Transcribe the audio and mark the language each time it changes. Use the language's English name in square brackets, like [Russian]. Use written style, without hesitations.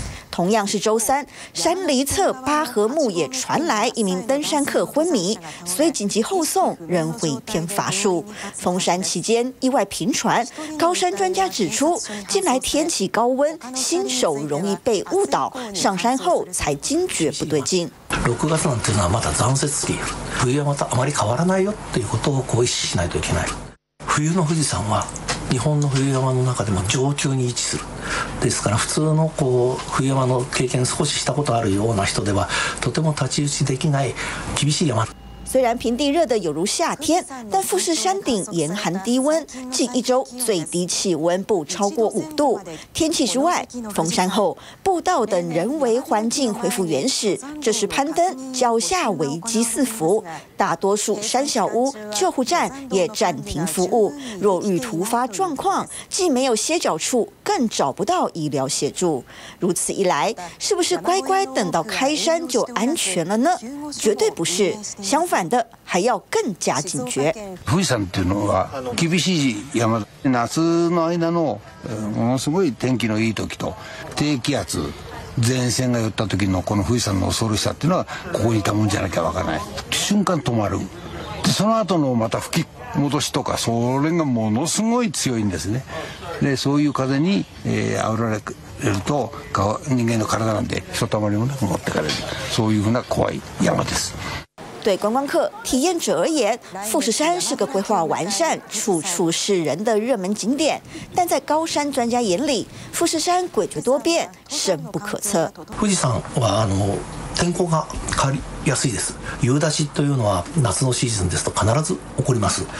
[Chinese] 同样是周三，山梨侧八合目也传来一名登山客昏迷，所以紧急后送，仍回天乏术。封山期间意外频传，高山专家指出，近来天气高温，新手容易被误导，上山后才惊觉不对劲。 [Japanese] 六月なんていうのはまだ残雪期、冬はまたあまり変わらないよっていうことをこう意識しないといけない。冬の富士山は日本の冬山の中でも上級に位置する。ですから普通のこう冬山の経験少ししたことあるような人ではとても太刀打ちできない厳しい山。 [Chinese] 虽然平地热得有如夏天，但富士山顶严寒低温，近一周最低气温不超过五度。天气之外，封山后步道等人为环境恢复原始，这时攀登脚下危机四伏，大多数山小屋、救护站也暂停服务。若遇突发状况，既没有歇脚处，更找不到医疗协助。如此一来，是不是乖乖等到开山就安全了呢？绝对不是，相反的，还要更加警觉。 [Japanese] 富士山というのは厳しい山、夏の間のものすごい天気のいい時と低気圧、前線が寄った時のこの富士山の恐ろしさっていうのはここにいたもんじゃなきゃわからない。瞬間止まる。でその後のまた吹き戻しとか、それがものすごい強いんですね。でそういう風に煽られると人間の体なんてひとたまりもなく持ってかれる。そういうふうな怖い山です。 [Chinese] 对观光客、体验者而言，富士山是个规划完善、处处是人的热门景点。但在高山专家眼里，富士山诡谲多变，深不可测。 [Japanese] 富士山は天候が変わりやすいです。夕立というのは夏のシーズンですと必ず起こります。